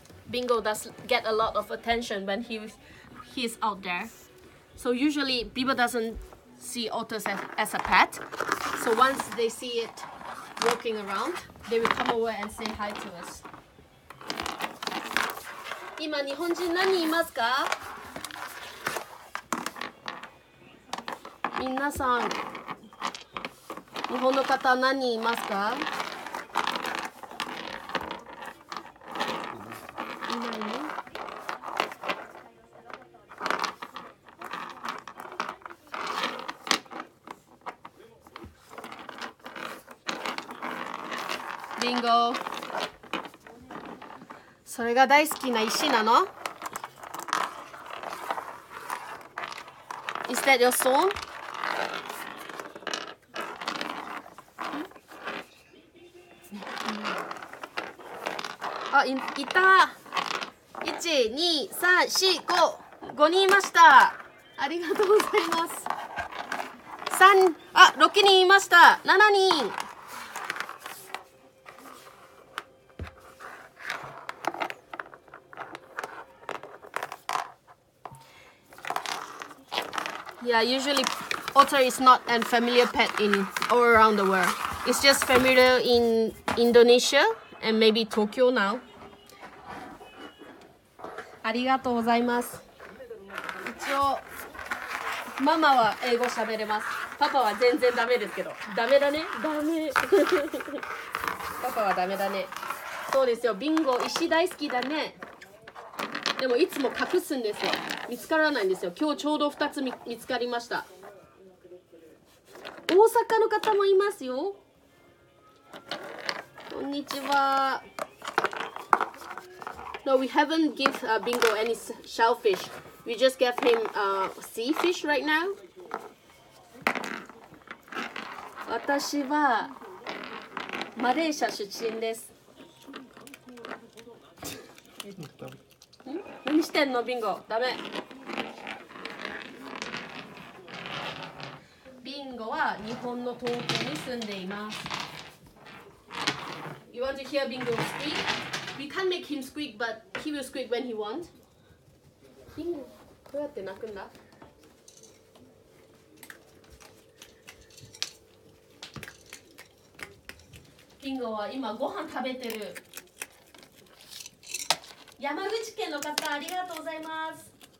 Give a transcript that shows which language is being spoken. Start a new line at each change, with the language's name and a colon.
English: Bingo does get a lot of attention when he's out there. So usually people doesn't see otters as a pet. So once they see it walking around, they will come over and say hi to us.
Japanese: 今日本人何人いますか？皆さん、日本の方何人いますか？それが大好きな石なの？
English: Is that your song?
Japanese: あ、いた！1,2,3,4,5 5人いました。ありがとうございます。 6人いました。 7人
English: Yeah, usually otter is not a familiar pet in all around the world. It's just familiar in Indonesia and maybe Tokyo now.
Japanese: ありがとうございます。一応ママは英語喋れます。パパは全然ダメですけど。ダメだね。ダメ。パパはダメだね。そうですよ。ビンゴ石大好きだね。でもいつも隠すんですよ。見つからないんですよ。今日ちょうど2つ見つかりました。大阪の方もいますよ。こんにちは。
English: No, we haven't give、Bingo any shellfish. We just gave him、sea fish right now.
Japanese: 私はマレーシア出身です。何してんのビンゴ。ダメ。ビンゴは日本の東京に住んでいます。
English: You want to hear Bingo squeak? We can't make him squeak, but he will squeak when he wants.
Japanese: ビンゴ、どうやって鳴くんだ。ビンゴは今ご飯食べてる。山口県の方、ありがとうございます。